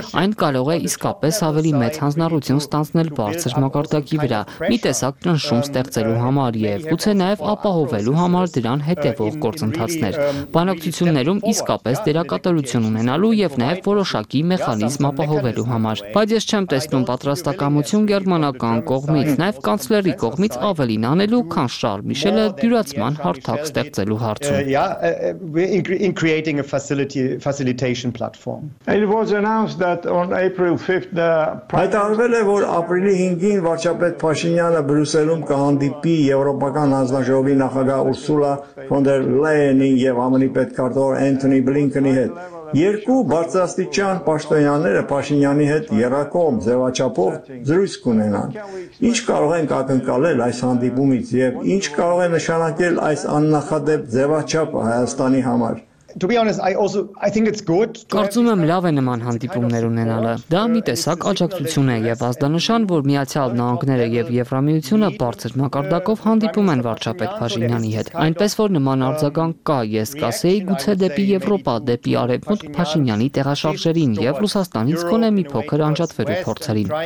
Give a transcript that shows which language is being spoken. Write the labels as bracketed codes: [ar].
[hy] այն կարող է իսկապես ավելի մեծ հանձնառություն ստանձնել բարձր մակարդակի վրա, մի տեսակ ճնշում ստեղծելու համար և գուցե նաև ապահովելու համար դրան հետևող գործընթացներ, բանակցություններում իսկապես դերակատարություն ունենալու և նաև որոշակի մեխանիզմ ապահովելու համար, բայց ես չեմ տեսնում պատրաստակամություն գերմանական կողմից, նաև կանցլերի կողմից ավելին անելու, քան Շարլ Միշելը դյուրացման հարթակ ստեղծելու հարցում։ [en] In creating a facilitation platform. It was announced that on April 5th the [hy] Հայտարարվել է, որ ապրիլի 5-ին վարչապետ Փաշինյանը Բրյուսելում կհանդիպի եվրոպական հանձնաժողովի նախագահ Ուրսուլա ֆոն դեր Լայենին և ԱՄՆ-ի պետքարտուղար Էնթոնի Բլինքենի հետ։ Երկու բարձրաստիճան պաշտոնյաները Փաշինյանի հետ երակողմ ձևաչափով զրույց կունենան։ Ինչ կարող ենք ակնկալել այս հանդիպումից և ինչ կարող է նշանակել այս աննախադեպ ձևաչափը Հայաստանի համար։ [en] To be honest, I think it's good. [hy] Կարծում եմ, լավ է նման հանդիպումներ ունենալը։ Դա մի տեսակ աջակցություն է և ազդանշան, որ Միացյալ Նահանգները և Եվրամիությունը բարձր մակարդակով հանդիպում են վարչապետ Փաշինյանի հետ։ Այնպես որ նման արձագանք կա, ես կասեի, գուցե դեպի Եվրոպա, դեպի Արևմուտք Փաշինյանի տեղաշարժերին և Ռուսաստանից կոնե մի փոքր անջատվելու փորձերին։